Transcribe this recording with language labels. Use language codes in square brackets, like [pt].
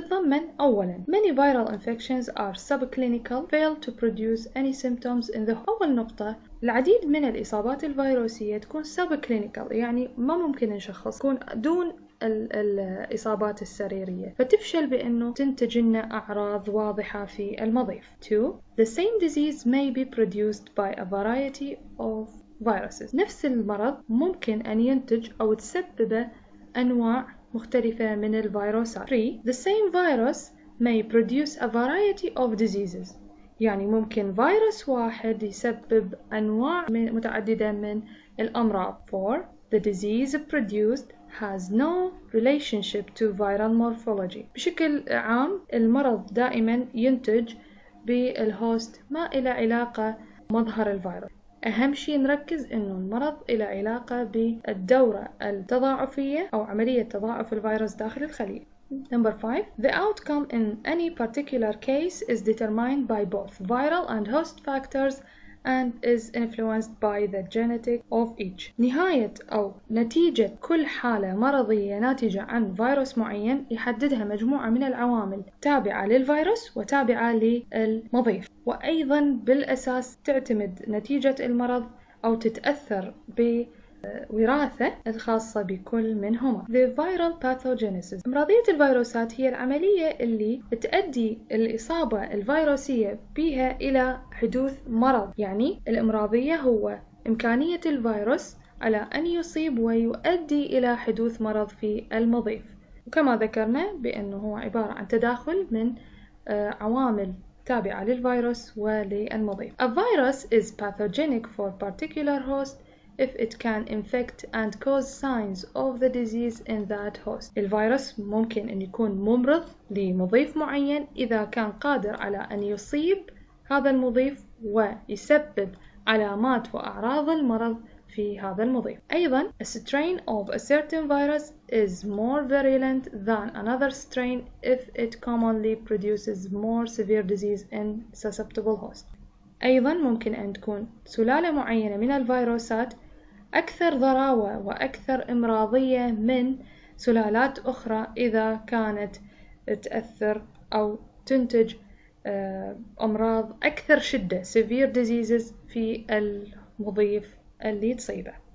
[ar] تتضمن أولا [en] many viral infections are subclinical, fail to produce any symptoms in the [ar] أول نقطة، العديد من الإصابات الفيروسية تكون subclinical، يعني ما ممكن نشخص، تكون دون الإصابات السريرية، فتفشل بأنه تنتج لنا أعراض واضحة في المضيف. 2. [en] The same disease may be produced by a variety of viruses. [ar] نفس المرض ممكن أن ينتج أو تسبب أنواع مختلفة من الفيروسات. 3. [en] The same virus may produce a variety of diseases. [ar] يعني ممكن فيروس واحد يسبب أنواع متعددة من الأمراض. 4. [en] The disease produced has no relationship to viral morphology. [ar] بشكل عام المرض دائما ينتج بالهوست ما إلى علاقة مظهر الفيروس. أهم شيء نركز إنه المرض إلى علاقة بالدورة التضاعفية أو عملية تضاعف الفيروس داخل الخلية. [en] Number 5. The outcome in any particular case is determined by both viral and host factors and is influenced by the genetic of each. [ar] نهاية أو نتيجة كل حالة مرضية ناتجة عن فيروس معين يحددها مجموعة من العوامل تابعة للفيروس وتابعة للمضيف، وأيضا بالأساس تعتمد نتيجة المرض أو تتأثر بوراثة الخاصة بكل منهما. [en] The viral pathogenesis. [ar] أمراضية الفيروسات هي العملية اللي تؤدي الإصابة الفيروسية بها إلى حدوث مرض، يعني الإمراضية هو إمكانية الفيروس على أن يصيب ويؤدي إلى حدوث مرض في المضيف، وكما ذكرنا بأنه هو عبارة عن تداخل من عوامل تابعة للفيروس وللمضيف. [en] A virus is pathogenic for particular host if it can infect and cause signs of the disease in that host. [ar] الفيروس ممكن أن يكون ممرض لمضيف معين إذا كان قادر على أن يصيب هذا المضيف ويسبب علامات وأعراض المرض في هذا المضيف. [en] أيضا a strain of a certain virus is more virulent than another strain if it commonly produces more severe disease in susceptible host. [ar] أيضا ممكن أن تكون سلالة معينة من الفيروسات أكثر ضراوة وأكثر إمراضية من سلالات أخرى إذا كانت تأثر أو تنتج أمراض أكثر شدة [en] severe diseases [ar] في المضيف اللي تصيبه.